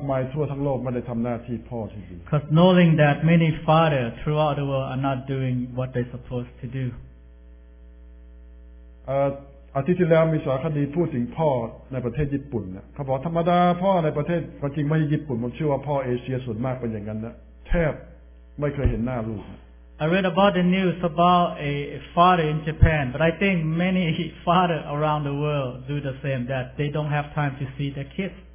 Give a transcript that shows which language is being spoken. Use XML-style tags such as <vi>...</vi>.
<en>Because knowing that many fathers throughout the world are not doing what they're supposed to do.</en> <th>อาทิตย์ที่แล้วมีสารคดีพูดถึงพ่อในประเทศญี่ปุ่นเขาบอกธรรมดาพ่อในประเทศความจริงไม่ใช่ญี่ปุ่นผมเชื่อว่าพ่อเอเชียส่วนมากเป็นอย่างนั้นนะแทบไม่เคยเห็นหน้าลูก</th> <en>I read about the news about a father in Japan, but I think many fathers around the world do the same, that they don't have time to see their kids.</en>